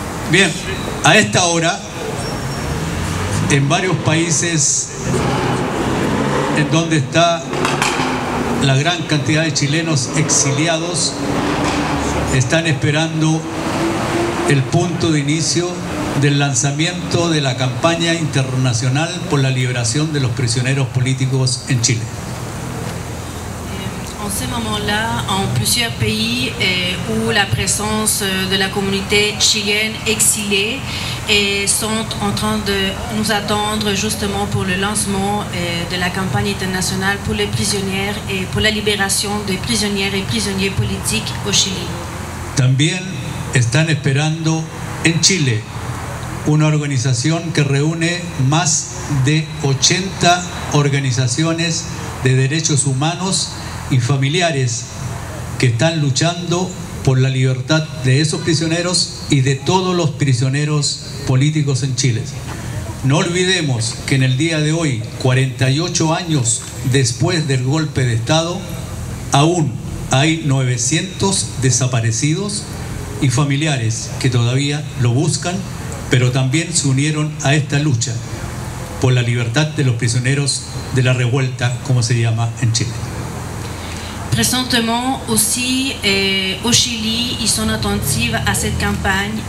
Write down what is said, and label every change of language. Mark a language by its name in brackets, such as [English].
[Spanish] Bien, a esta hora, en varios países en donde está la gran cantidad de chilenos exiliados, están esperando el punto de inicio del lanzamiento de la campaña internacional por la liberación de los prisioneros políticos en Chile. [French] En ce moment-là, en plusieurs pays où la présence de la communauté chilienne exilée et sont en train de nous attendre justement pour le lancement de la campagne internationale pour les prisonnières et pour la libération des prisonnières et prisonniers politiques au Chili. [Spanish] También están esperando en Chile una organización que reúne más de 80 organizaciones de derechos humanos y familiares que están luchando por la libertad de esos prisioneros y de todos los prisioneros políticos en Chile. No olvidemos que en el día de hoy, 48 años después del golpe de Estado, aún hay 900 desaparecidos y familiares que todavía lo buscan, pero también se unieron a esta lucha por la libertad de los prisioneros de la revuelta, como se llama en Chile. [French] Récemment aussi au Chili, ils sont attentifs à cette campagne.